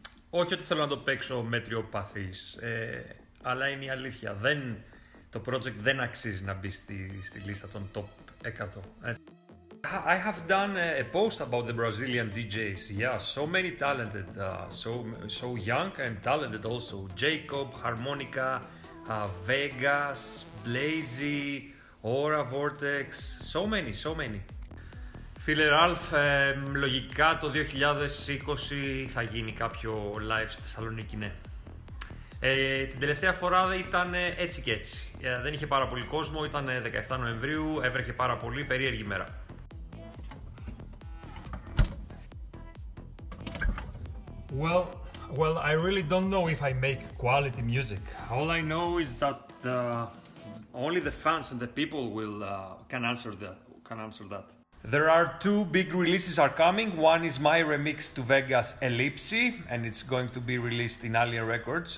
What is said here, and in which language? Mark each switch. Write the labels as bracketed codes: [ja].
[el] Όχι ότι θέλω να το παίξω μετριοπαθής, αλλά είναι η αλήθεια. Το project δεν αξίζει να μπει στη λίστα των top 100. [en] I have done a post about the Brazilian DJs. Yeah, so many talented, so young and talented also. Jacob, Harmonica, Vegas, Blazy, Aura Vortex, so many. [el] Φίλε Ραλφ, λογικά το 2020 θα γίνει κάποιο live στη Θεσσαλονίκη, ναι. Την τελευταία φορά ήταν έτσι και έτσι. Δεν είχε πάρα πολύ κόσμο, ήταν 17 Νοεμβρίου, έβρεχε πάρα πολύ, περίεργη μέρα. [en] Well, I really don't know if I make quality music. All I know is that only the fans and the people can answer that. There are two big releases are coming. One is my remix to Vegas Ellipse, and it's going to be released in Alien Records.